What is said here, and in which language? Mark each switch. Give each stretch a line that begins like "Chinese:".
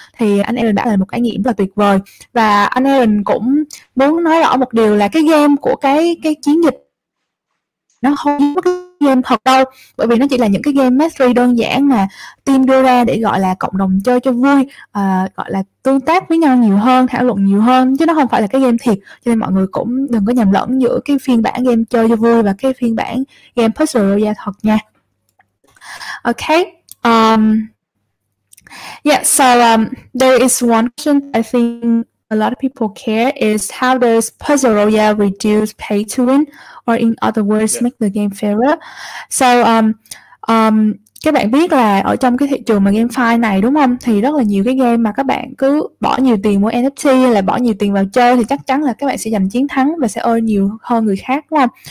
Vietnamese: Thì anh Aaron đã là một cái nghiệm là tuyệt vời. Và anh Aaron cũng muốn nói rõ một điều là cái game của cái chiến dịch nó không có cái game thật đâu, bởi vì nó chỉ là những cái game mystery đơn giản mà team đưa ra để gọi là cộng đồng chơi cho vui, gọi là tương tác với nhau nhiều hơn, thảo luận nhiều hơn, chứ nó không phải là cái game thiệt. Cho nên mọi người cũng đừng có nhầm lẫn giữa cái phiên bản game chơi cho vui và cái phiên bản game Puzzle Royale thật nha.
English: Ok, there is one question I think a lot of people care is, how does Puzzle Royale reduce pay to win, or in other words, yeah, make the game fairer?
Vietnamese: So, các bạn biết là ở trong cái thị trường mà GameFi này, đúng không, thì rất là nhiều cái game mà các bạn cứ bỏ nhiều tiền mua NFT hay là bỏ nhiều tiền vào chơi thì chắc chắn là các bạn sẽ giành chiến thắng và sẽ earn nhiều hơn người khác, đúng không?